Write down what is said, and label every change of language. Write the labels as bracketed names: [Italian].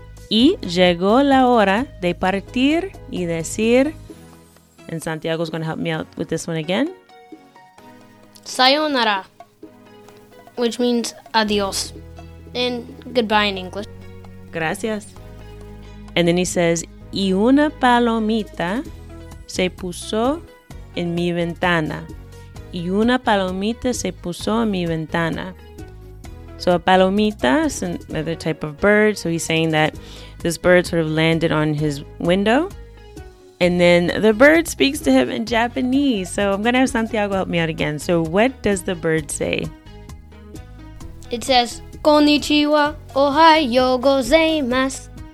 [Spanish] Y llegó la hora de partir y decir... [English] And Santiago's going to help me out with this one again. Sayonara, which means adios, and goodbye in English. [Spanish] Gracias. [English] And then he says, [Spanish] y una palomita se puso en mi ventana. Y una palomita se puso en mi ventana. [English] So a palomita is another type of bird. So he's saying that this bird sort of landed on his window. And then the bird speaks to him in Japanese. So I'm going to have Santiago help me out again. So what does the bird say? It says, [Japanese] konnichiwa, ohayo gozaimasu.